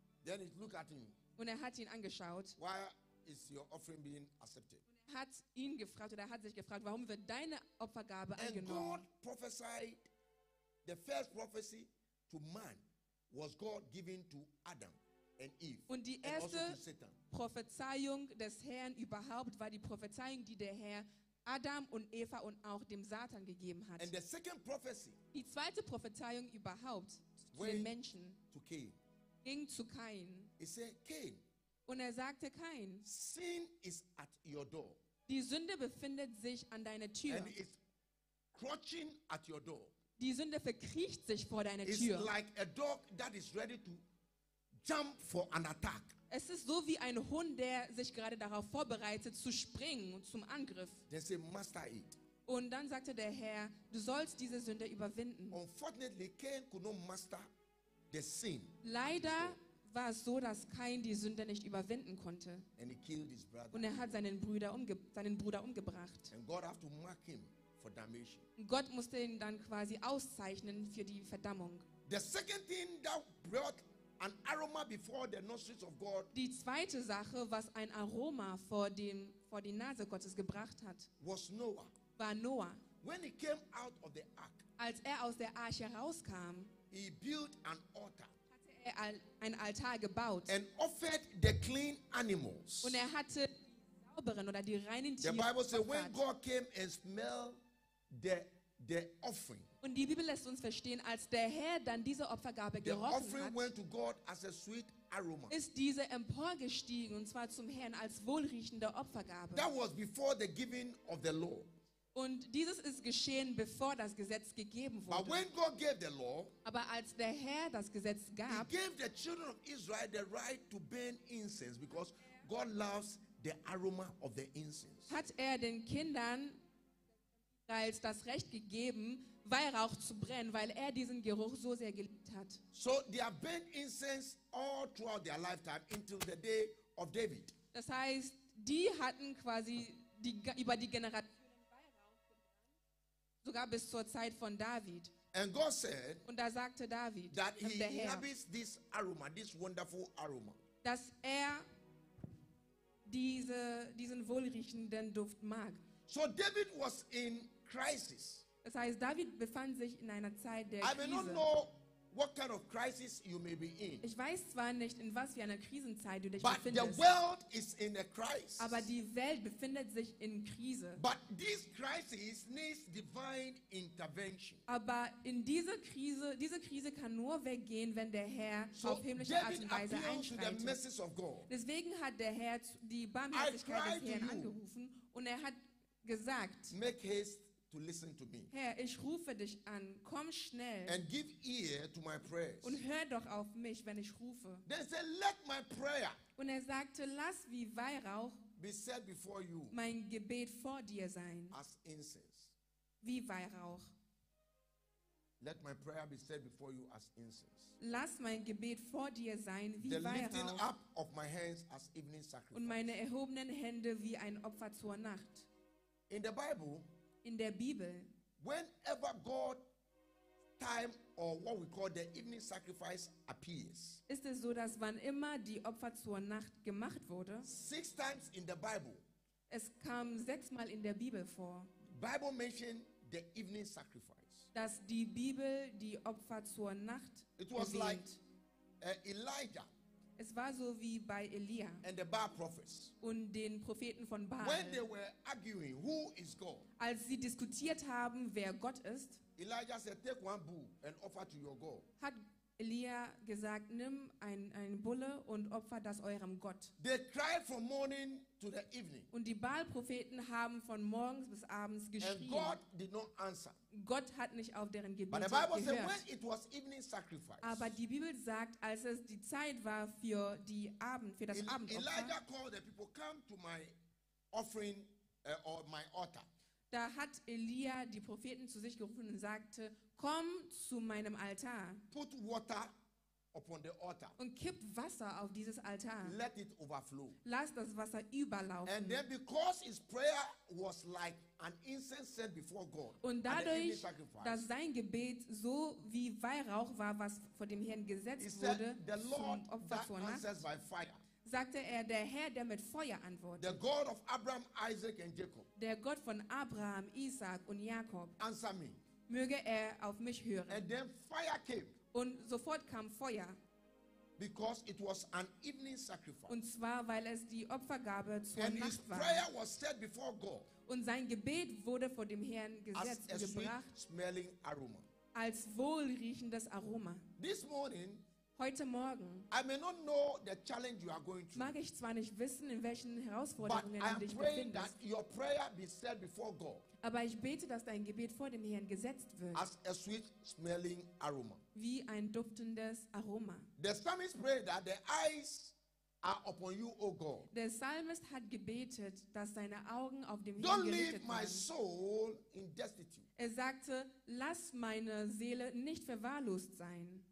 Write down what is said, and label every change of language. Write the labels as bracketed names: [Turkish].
[English] Then he looked at him. [German] Und er hat ihn angeschaut. [English] Why is your offering being accepted? [German] Hat ihn gefragt oder hat sich gefragt, warum wird deine Opfergabe angenommen? [English] And God prophesied, the first prophecy to man was God giving to Adam and Eve. [German] Und die erste Prophezeiung des Herrn überhaupt war die Prophezeiung, die der Herr Adam und Eva und auch dem Satan gegeben hat. [English] And the second prophecy, [German] die zweite Prophezeiung überhaupt zu den Menschen, [English] to Cain, [German] ging zu Cain. [English] He said, Cain. [German] Und er sagte Kain, [English] sin is at your door. [German] Die Sünde befindet sich an deiner Tür. [English] And it's crouching at your door. [German] Die Sünde verkriecht sich vor deiner [English] it's [German] Tür. [English] Like a dog that is ready to jump for an attack. [German] Es ist so wie ein Hund, der sich gerade darauf vorbereitet, zu springen zum Angriff. [English] They say, master it. [German] Und dann sagte der Herr, du sollst diese Sünde überwinden. [English] Unfortunately, Cain could not master the sin. [German] Leider war es so, dass Kain die Sünde nicht überwinden konnte. [English] And he killed his brother. [German] Und er hat seinen Bruder umgebracht. [English] And God have to mark him for damnation. [German] Und Gott musste ihn dann quasi auszeichnen für die Verdammung. [English] The second thing that brought an aroma before the nostrils of God, [German] die zweite Sache, was ein Aroma vor die Nase Gottes gebracht hat, [English] was Noah. [German] War Noah. [English] When he came out of the ark, [German] als er aus der Arche rauskam, [English] he built an altar. [German] Ein Altar gebaut. [English] And offered the clean animals. [German] Und er hatte die sauberen oder die reinen Tiere. [English] The Bible says, when God came and smelled the offering. [German] Und die Bibel lässt uns verstehen, als der Herr dann diese Opfergabe [English] the [German] gerochen [English] offering [German] hat, [English] went to God as a sweet aroma. [German] Ist diese emporgestiegen und zwar zum Herrn als wohlriechende Opfergabe. [English] That was before the giving of the law. [German] Und dieses ist geschehen, bevor das Gesetz gegeben wurde. [English] But when God gave the law, [German] aber als der Herr das Gesetz gab, [English] he gave the children of Israel the right to burn incense because God loves the aroma of the incense. [German] Hat er den Kindern als das Recht gegeben, Weihrauch zu brennen, weil er diesen Geruch so sehr geliebt hat. [English] So they have burned incense all throughout their lifetime until the day of David. [German] Das heißt, die hatten quasi über die Generation sogar bis zur Zeit von David. [English] And God said, [German] und da sagte David, [English] that he inhabits this aroma, this wonderful aroma. [German] Dass er diesen wohlriechenden Duft mag. [English] So David was in crisis. [German] Das heißt, David befand sich in einer Zeit der Krise. [English] I may not know what kind of crisis you may be in. [German] Ich weiß zwar nicht, in was für einer Krisenzeit du dich [English] but [German] befindest. [English] The world is in a crisis. [German] Aber die Welt befindet sich in Krise. [English] But this crisis needs divine intervention. [German] Aber in diese Krise kann nur weggehen, wenn der Herr [English] so [German] auf himmlische [English] David [German] Art und Weise einschreitet. Deswegen hat der Herr die Barmherzigkeit des Herrn angerufen und er hat gesagt, [English] make haste to listen to me. [German] Herr, ich rufe dich an, komm schnell. [English] And give ear to my prayers. [German] Und hör doch auf mich, wenn ich rufe. [English] They said, let my prayer. [German] Und er sagte, lass wie Weihrauch [English] be set before you. [German] Mein Gebet vor dir sein. [English] As incense. [German] Wie Weihrauch. [English] Let my prayer be set before you as incense. [German] Lass mein Gebet vor dir sein wie [English] the [German] Weihrauch. [English] Lifting up of my hands as evening sacrifice. [German] Und meine erhobenen Hände wie ein Opfer zur Nacht. [English] In the Bible, [German] in der Bibel, [English] whenever God time or what we call the evening sacrifice appears, [German] ist es so, dass wann immer die Opfer zur Nacht gemacht wurde, [English] six times in the Bible, [German] es kam sechsmal in der Bibel vor, [English] Bible mentioned the evening sacrifice, [German] dass die Bibel die Opfer zur Nacht [English] it was [German] erwähnt. [English] Like Elijah. [German] Es war so wie bei Elia [English] and the Baal prophets. [German] Und den Propheten von Baal. [English] When they were arguing, who is God? [German] Als sie diskutiert haben, wer Gott ist, [English] Elijah said, take one bull and offer to your God. [German] Hat Elia gesagt, nimm ein Bulle und opfer das eurem Gott. [English] They cried from morning to the evening. [German] Und die Baal-Propheten haben von morgens bis abends geschrien. [English] And God did not answer. [German] Gott hat nicht auf deren Gebete gehört. [English] But the Bible said, when it was evening sacrifice, [German] aber die Bibel sagt, als es die Zeit war für das Abendopfer, [English] Elijah called the people, come to my offering or my altar. [German] Da hat Elia die Propheten zu sich gerufen und sagte, komm zu meinem Altar. [English] Put water upon the altar. [German] Und kipp Wasser auf dieses Altar. [English] Let it overflow. [German] Lass das Wasser überlaufen. [English] And then because his prayer was like an incense set before God. [German] Und dadurch, dass sein Gebet so wie Weihrauch war, was vor dem Herrn gesetzt wurde, [English] the Lord that answers by fire. [German] Sagte er, der Herr, der mit Feuer antwortet. [English] The God of Abraham, Isaac and Jacob. [German] Der Gott von Abraham, Isaac und Jakob. [English] Answer me. [German] Möge er auf mich hören. [English] And then fire came. [German] Und sofort kam Feuer. [English] Because it was an evening sacrifice. [German] Und zwar, weil es die Opfergabe zur [English] and [German] Nacht war. [English] His prayer was set before God. [German] Und sein Gebet wurde vor dem Herrn gesetzt und gebracht. [English] Sweet smelling aroma. [German] Als wohlriechendes Aroma. [English] This morning, [German] heute Morgen, [English] I may not know the challenge you are going through, [German] mag ich zwar nicht wissen, in welchen Herausforderungen du dich befindest, [English] that your prayer be set before God, [German] aber ich bete, dass dein Gebet vor dem Herrn gesetzt wird. [English] As a sweet smelling aroma. [German] Wie ein duftendes Aroma. [English] The psalmist prayed that the eyes are upon you, O God. [German] Der Psalmist hat gebetet, dass seine Augen auf dem [English] Don't [German] Herrn gerichtet [English] leave my [German] waren. [English] Soul in destitute. [German] Er sagte, lass meine Seele nicht verwahrlost sein.